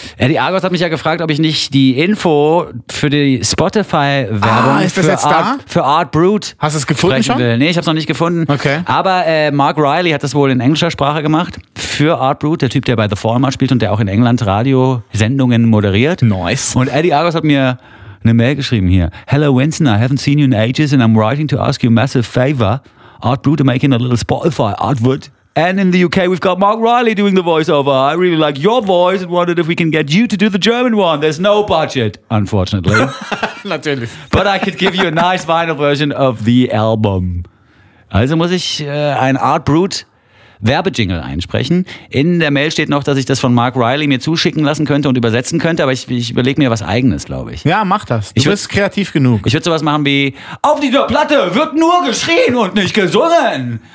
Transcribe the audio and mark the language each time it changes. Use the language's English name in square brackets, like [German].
[German] Eddie Argos hat mich ja gefragt, ob ich nicht die Info für die Spotify-Werbung für Art Brut. Hast du es gefunden schon? [English] Will. [German] Nee, ich habe es noch nicht gefunden. Okay. Aber Mark Riley hat das wohl in englischer Sprache gemacht für Art Brut, der Typ, der bei The Format spielt und der auch in England Radiosendungen moderiert. [English] Nice. [German] Und Eddie Argos hat mir eine Mail geschrieben hier. [English] Hello Winston, I haven't seen you in ages and I'm writing to ask you a massive favor. Art Brut are making a little Spotify advert. And in the UK we've got Mark Riley doing the voiceover. I really like your voice and wondered if we can get you to do the German one. There's no budget, unfortunately. [German] Natürlich. [English] But I could give you a nice vinyl version of the album. [German] Also muss ich ein Art Brut Werbejingle einsprechen. In der Mail steht noch, dass ich das von Mark Riley mir zuschicken lassen könnte und übersetzen könnte, aber ich überlege mir was Eigenes, glaube ich. Ja, mach das. Du bist kreativ genug. Ich würde sowas machen wie: Auf dieser Platte wird nur geschrien und nicht gesungen.